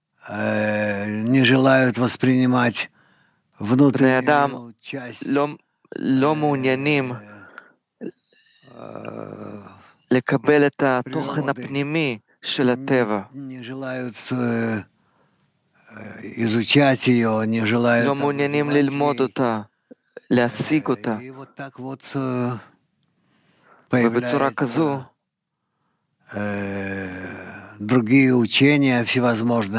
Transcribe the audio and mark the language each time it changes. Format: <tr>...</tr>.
<ru>не желают воспринимать внутреннюю часть.</ru> <he>לא מעוניינים לקבל את התוכן הפנימי של הטבע.</he> <ru>Не желают изучать её, не желают... Но мы не имеем лильмодута, ля сикута. И вот так вот появляются другие учения всевозможные.</ru>